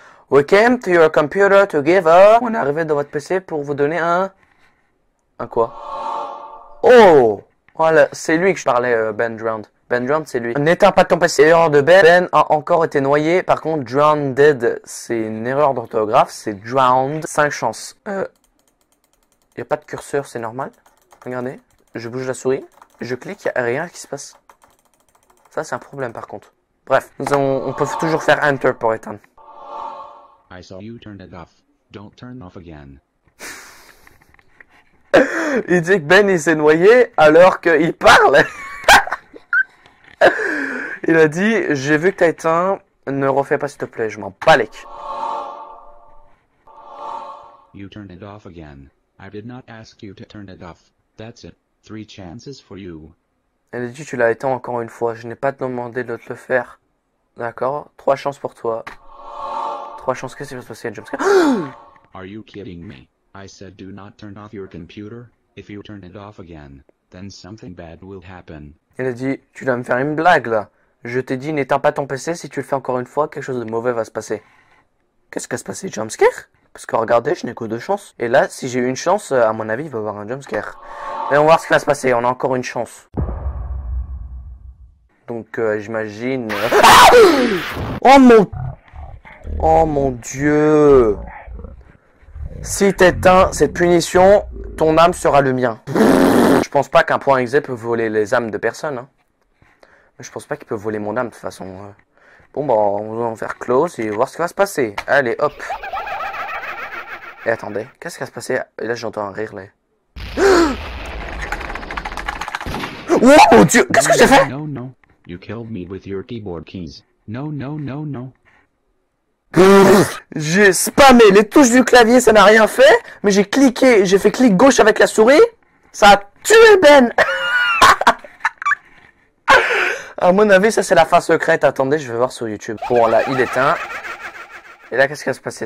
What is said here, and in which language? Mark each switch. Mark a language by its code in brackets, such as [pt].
[en] We came to your computer to give a... [fr] On est arrivé dans votre PC pour vous donner un... Un quoi? Oh! Voilà, c'est lui que je parlais, Ben Drowned. Ben Drowned, c'est lui. N'éteins pas ton PC. Erreur de Ben. Ben a encore été noyé. Par contre, Drowned, c'est une erreur d'orthographe. C'est Drowned. 5 chances. Y a pas de curseur, c'est normal. Regardez. Je bouge la souris. Je clique, y a rien qui se passe. Ça, c'est un problème, par contre. Bref. On peut toujours faire Enter pour éteindre. [en] I saw you turn it off. Don't turn off again. [fr] Il dit que Ben, il s'est noyé alors qu'il parle. Il a dit, j'ai vu que t'as éteint, ne refais pas s'il te plaît, je m'en balèque. [en] You turned it off again. I did not ask you to turn it off. That's it. Three chances for you. [fr] Il a dit, tu l'as éteint encore une fois, je n'ai pas demandé de te le faire. D'accord? Trois chances pour toi. Trois chances, qu'est-ce qui va se passer, jumpscare? [en] Are you kidding me? I said do not turn off your computer. If you turn it off again, then something bad will happen. [fr] Il a dit, tu dois me faire une blague là. Je t'ai dit, n'éteins pas ton PC, si tu le fais encore une fois, quelque chose de mauvais va se passer. Qu'est-ce qui va se passer, jumpscare? Parce que regardez, je n'ai que deux chances. Et là, si j'ai une chance, à mon avis, il va y avoir un jumpscare. Allons voir ce qui va se passer, on a encore une chance. Donc, j'imagine... Ah oh mon dieu! Si t'éteins cette punition, ton âme sera le mien. Je pense pas qu'un point exe peut voler les âmes de personne, hein. Je pense pas qu'il peut voler mon âme de toute façon. Bon bah on va en faire close et voir ce qui va se passer. Allez hop. Et attendez, qu'est-ce qui va se passer? Et là j'entends un rire là. Oh mon dieu, qu'est-ce que j'ai fait? [en] No no, you killed me with your keyboard keys. No no no no. [fr] J'ai spammé les touches du clavier, ça n'a rien fait. Mais j'ai cliqué, j'ai fait clic gauche avec la souris. Ça a tué Ben. À mon avis, ça c'est la fin secrète. Attendez, je vais voir sur YouTube. Bon, là, il éteint. Et là, qu'est-ce qui va se passer?